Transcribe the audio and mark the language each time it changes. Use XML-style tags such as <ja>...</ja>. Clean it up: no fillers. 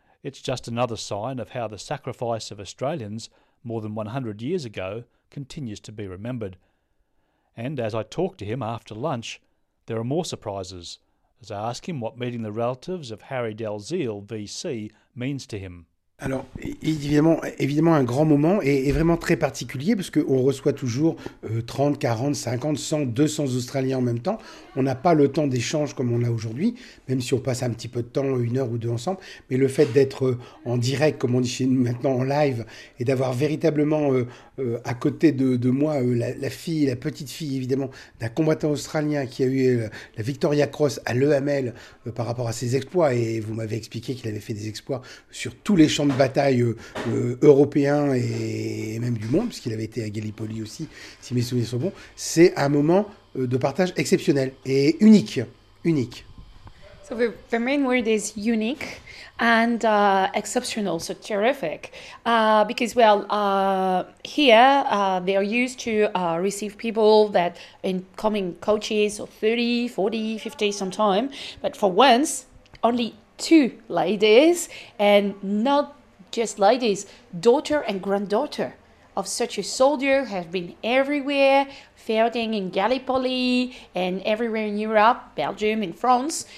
<en>It's just another sign of how the sacrifice of Australians more than 100 years ago continues to be remembered. And as I talk to him after lunch, there are more surprises as I ask him what meeting the relatives of Harry Dalziel, VC, means to him.</en> <fr>Alors, évidemment, un grand moment et vraiment très particulier parce qu'on reçoit toujours 30, 40, 50, 100, 200 Australiens en même temps. On n'a pas le temps d'échange comme on l'a aujourd'hui, même si on passe un petit peu de temps, une heure ou deux ensemble. Mais le fait d'être en direct, comme on dit chez nous maintenant, en live, et d'avoir véritablement à côté de moi la fille, la petite fille, évidemment, d'un combattant australien qui a eu la Victoria Cross à l'EML par rapport à ses exploits. Et vous m'avez expliqué qu'il avait fait des exploits sur tous les champ de bataille européen et même du monde, puisqu'il avait été à Gallipoli aussi, si mes souvenirs sont bons, c'est un moment de partage exceptionnel et unique. Unique.</fr> <en>So the main word is unique and exceptional, so terrific. Because, well, here they are used to receive people that incoming coaches of 30, 40, 50 sometime, but for once, only two ladies, and not just ladies, daughter and granddaughter of such a soldier who have been everywhere, fighting in Gallipoli and everywhere in Europe, Belgium and France.</en>